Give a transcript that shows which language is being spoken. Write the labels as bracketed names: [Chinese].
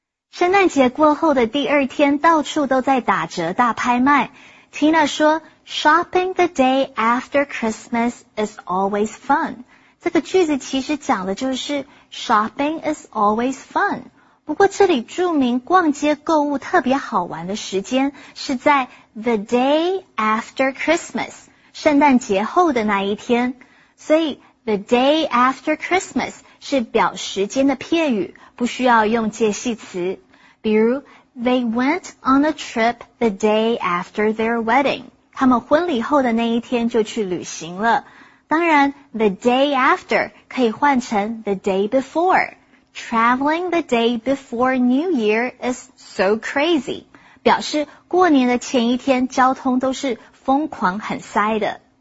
[Chinese] 圣诞节过后的第二天，到处都在打折大拍卖。 [English] Tina 说 ,Shopping the day after Christmas is always fun. [Chinese] 这个句子其实讲的就是 , [English] Shopping is always fun. [Chinese] 不过这里注明逛街购物特别好玩的时间是在 [English] the day after Christmas, [Chinese] 圣诞节后的那一天。所以 [English] the day after Christmas [Chinese] 是表时间的片语。不需要用介系词。 [English] 比如 ,they went on a trip the day after their wedding. [Chinese] 他们婚礼后的那一天就去旅行了。 [English] 当然 ,the day after [Chinese] 可以换成 [English] the day before. Traveling the day before New Year is so crazy. [Chinese] 表示过年的前一天交通都是疯狂很塞的。